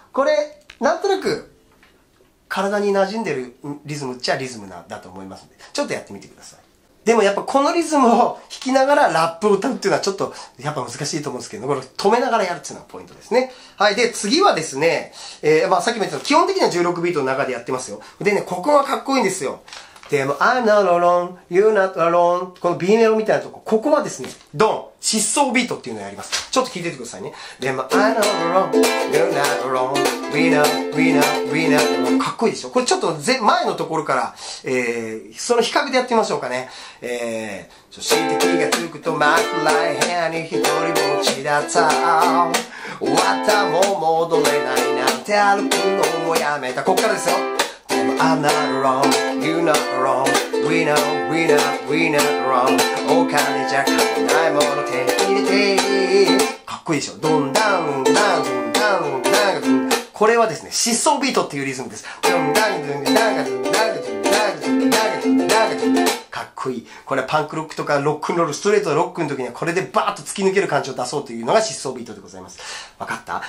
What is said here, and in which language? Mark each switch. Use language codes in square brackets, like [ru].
[ja] これ、なんとなく、体に馴染んでるリズムっちゃリズムだと思いますので、ちょっとやってみてください。でもやっぱこのリズムを弾きながらラップを歌うっていうのはちょっとやっぱ難しいと思うんですけど、これ止めながらやるっていうのがポイントですね。はい。で、次はですね、まあさっきも言ったように基本的には16ビートの中でやってますよ。でね、ここがかっこいいんですよ。でも、 [en] I'm not alone, you're not alone. [ja] この B メロみたいなとこ、ここはですね、ドン、疾走ビートっていうのをやります。ちょっと聞いててくださいね。でも、 [en] I'm not alone, you're not alone, we know, we know, we know. [ja] かっこいいでしょ。これちょっと前のところから、その比較でやってみましょうかね。そして気がつくと枕部屋に一人ぼっちだった、終わったもん戻れないなんて歩くのをやめた。こっからですよ。 [en] I'm not wrong, you're not wrong, we know, we know, we not wrong. [ja] お金じゃ買えないもの手に入れて。かっこいいでしょ。ドンダンダンドンダンダンガドン。これはですね、疾走ビートっていうリズムです。ドンダンドンダンガドンダンガドンダンガドンダンガドンダンガドン。かっこいい。これはパンクロックとかロックンロール、ストレートロックの時にはこれでバーッと突き抜ける感じを出そうというのが疾走ビートでございます。わかった？